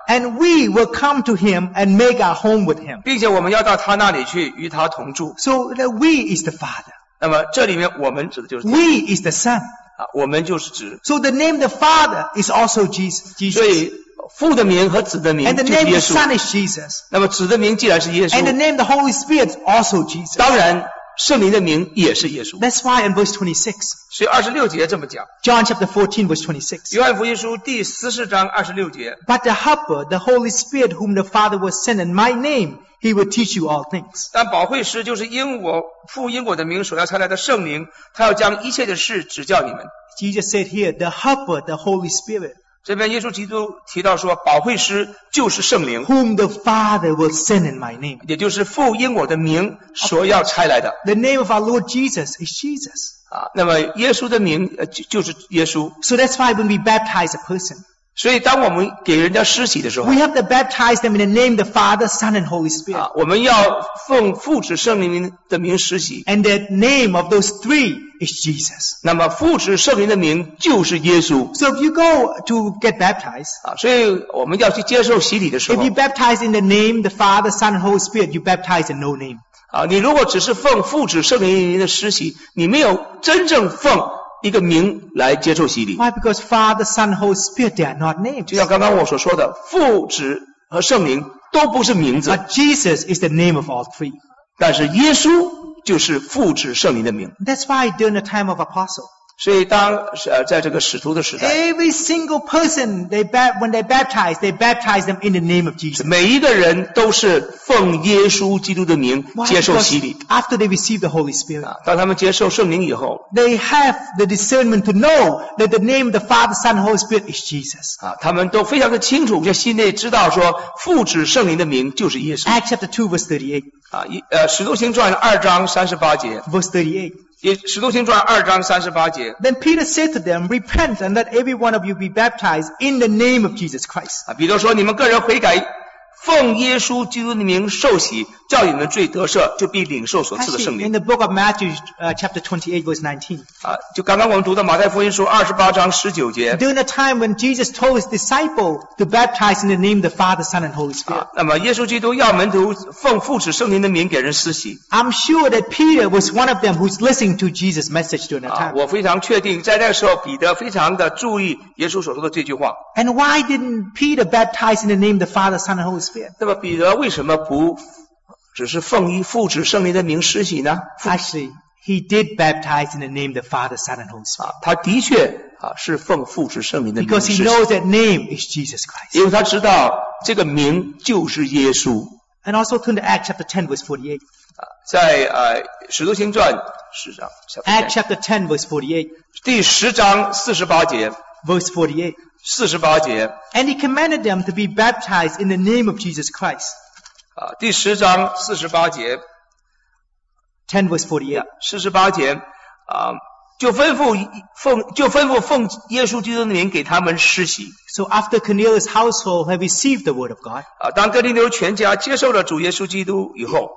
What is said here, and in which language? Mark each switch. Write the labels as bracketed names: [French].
[English] ，and we will come to him and make our home with him, [Chinese] 并且我们要到他那里去与他同住。 [English] So the we is the father. [Chinese] 那么这里面我们指的就是 [English] we is the son. [Chinese] 啊，我们就是指。 [English] So the name the father is also Jesus. [Chinese] 所以父的名和子的名就是耶稣。 [English] And the name of the Son is Jesus. [Chinese] 那么子的名既然是耶稣。 [English] And the name of the Holy Spirit is also Jesus. [Chinese] 当然圣灵的名也是耶稣。 [English] That's why in verse 26. [Chinese] 所以二十六节这么讲。 [English] John chapter 14 verse 26. [Chinese] 约翰福音书第十四章二十六节。 [English] But the Helper, the Holy Spirit whom the Father will send in my name, he will teach you all things. [Chinese] 但保惠师就是因我父因我的名所要差来的圣灵，他要将一切的事指教你们。 [English] Jesus said here, the Helper, the Holy Spirit, [Chinese] 这边耶稣基督提到说，保惠师就是圣灵 [English] ，whom the Father will send in my name， [Chinese] 也就是父因我的名所要差来的。 [English] The name of our Lord Jesus is Jesus。 [Chinese] 啊，那么耶稣的名就是耶稣。 [English] So that's why when we baptize a person， [Chinese] 所以当我们给人家施洗的时候 [English] ，we have to baptize them in the name of the Father, Son, and Holy Spirit。 [Chinese] 啊，我们要奉父子圣灵的名施洗。 [English] And the name of those three。 Is Jesus. [Chinese] 那么父子圣灵的名就是耶稣。 [English] So if you go to get baptized, [Chinese] 啊，所以我们要去接受洗礼的时候 [English] ，if you baptize in the name the Father, Son, and Holy Spirit, you baptize in no name. [Chinese] 啊，你如果只是奉父子圣灵的施洗，你没有真正奉一个名来接受洗礼。 [English] Why? Because Father, Son, and Holy Spirit they are not names. [Chinese] 就像刚刚我所说的，父子和圣灵都不是名字。 [English] But Jesus is the name of all three. [Chinese] 但是耶稣。就是父子圣灵的名。 [English] That's why during the time of apostle. [Chinese] 所以当在这个使徒的时代 [English] ，Every single person they when they baptize them in the name of Jesus。 [Chinese] 每一个人都是奉耶稣基督的名接受洗礼。 [English] After they receive the Holy Spirit， [Chinese] 当他们接受圣灵以后 [English] ，They have the discernment to know that the name of the Father, Son, Holy Spirit is Jesus。 [Chinese] 他们都非常的清楚，在心内知道说父子圣灵的名就是耶稣。 [English] Acts chapter 2 verse 38。 [Chinese] 使徒行传二章三十八节。 [English] Verse 38。 [Chinese] 使徒行传二章三十八节。 [English] Then Peter said to them, "Repent and let every one of you be baptized in the name of Jesus Christ." [Chinese] 彼得说：“你们个人悔改，奉耶稣基督的名受洗，叫你们罪得赦，就必领受所赐的圣灵。” [English] In the book of Matthew, chapter 28, verse 19. [Chinese] 就刚刚我们读的马太福音书二十八章十九节。 [English] During the time when Jesus told his disciple to baptize in the name of the Father, Son, and Holy Spirit. [Chinese] 那么耶稣基督要门徒奉父子圣灵的名给人施洗。 [English] I'm sure that Peter was one of them who's listening to Jesus' message during that time. [Chinese] 我非常确定，在那时候彼得非常的注意耶稣所说的这句话。 [English] And why didn't Peter baptize in the name of the Father, Son, and Holy Spirit? [Chinese] 那么彼得为什么不只是奉以父子圣灵的名施洗呢？ [English] Actually, he did baptize in the name of the Father, Son, and Holy Spirit. [Chinese] 他的确是奉父子圣灵的名施洗。 [English] Because he knows that name is Jesus Christ. [Chinese] 因为他知道这个名就是耶稣。 [English] And also turn to Acts chapter 10 verse 48. [Chinese] 在使徒行传十章。 [English] Acts chapter 10 verse 48. [Chinese] 第十章四十八节。 [English] Verse 48. [Chinese] 四十八节。 [English] And he commanded them to be baptized in the name of Jesus Christ. [Chinese] 第十章四十八节。 [English] 10 verse 48. [Chinese] 四十八节。就吩咐奉耶稣基督的名给他们施洗。 [English] So after Cornelius' household had received the word of God. [Chinese] 当哥林流全家接受了主耶稣基督以后。